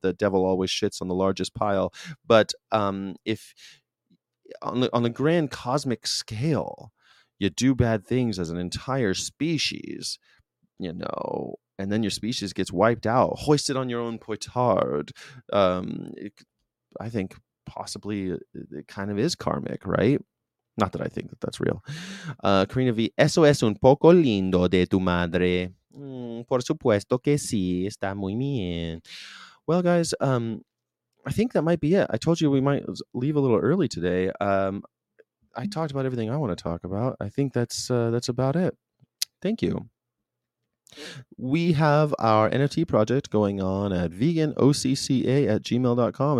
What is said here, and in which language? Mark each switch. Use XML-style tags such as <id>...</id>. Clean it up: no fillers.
<en>The devil always shits on the largest pile. But if on the grand cosmic scale, you do bad things as an entire species, you know, and then your species gets wiped out, hoisted on your own petard. I think possibly it kind of is karmic, right? Not that I think that that's real.</en> <es>Karina V, eso es un poco lindo de tu madre. Por supuesto que sí, está muy bien.</es> <en>Well, guys, I think that might be it. I told you we might leave a little early today. I talked about everything I want to talk about. I think that's about it. Thank you. We have our NFT project going on at veganocca@gmail.com.</en>